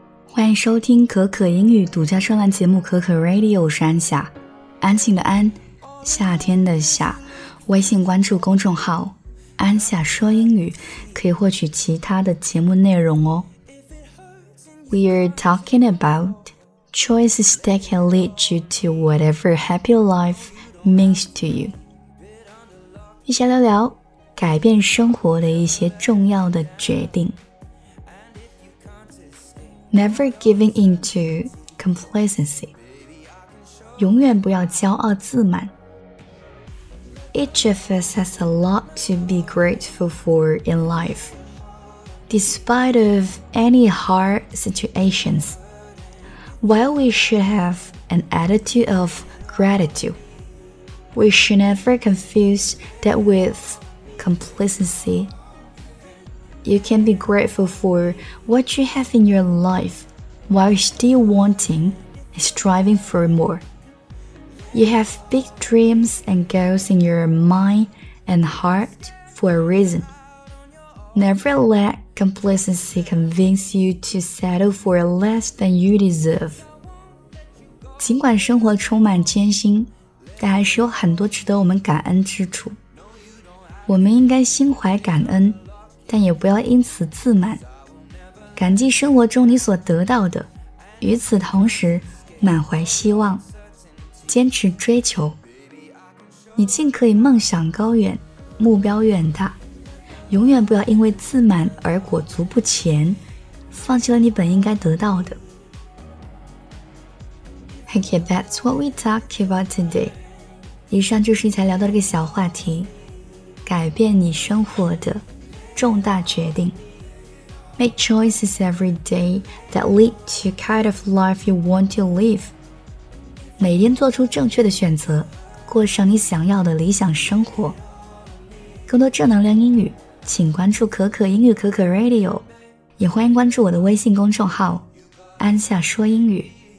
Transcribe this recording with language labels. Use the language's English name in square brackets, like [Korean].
[Chinese] 欢迎收听可可英语独家专栏节目可可 Radio， 我是安夏，安静的安，夏天的夏。微信关注公众号安夏说英语，可以获取其他的节目内容哦。 [English] We're talking about choices that can lead you to whatever happy life means to you. [Chinese] 一起聊聊改变生活的一些重要的决定。 [English] Never giving in to complacency. [Chinese] 永远不要骄傲自满。 [English] Each of us has a lot to be grateful for in life. Despite of any hard situations, while we should have an attitude of gratitude, we should never confuse that with complacency. You can be grateful for what you have in your life while still wanting and striving for more. You have big dreams and goals in your mind and heart for a reason. Never let complacency convince you to settle for less than you deserve. [Chinese] 尽管生活充满艰辛，但还是有很多值得我们感恩之处。我们应该心怀感恩，但也不要因此自满。感激生活中你所得到的，与此同时满怀希望，坚持追求。你尽可以梦想高远，目标远大。永远不要因为自满而裹足不前，放弃了你本应该得到的。 [English] Okay, that's what we talk about today. [Chinese] 以上就是一才聊到这个小话题，改变你生活的重大决定。 [English] Make choices every day that lead to kind of life you want to live. [Chinese] 每天做出正确的选择，过上你想要的理想生活。更多正能量英语请关注可可英语可可 Radio， 也欢迎关注我的微信公众号安夏说英语。